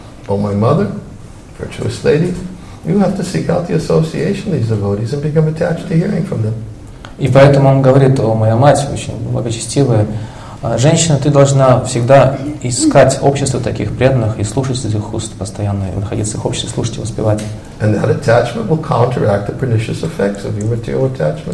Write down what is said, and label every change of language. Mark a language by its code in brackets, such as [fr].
[en] Oh, my mother, virtuous lady, you have to seek out the association of these devotees and become attached to hearing from them. [ru] И поэтому он говорит, о, моя мать, очень благочестивая женщина, ты должна всегда искать общество таких преданных и слушать из их уст постоянно, и выходить из их общества, слушать и воспевать. [en] And that attachment will counteract the pernicious effects of your material attachment.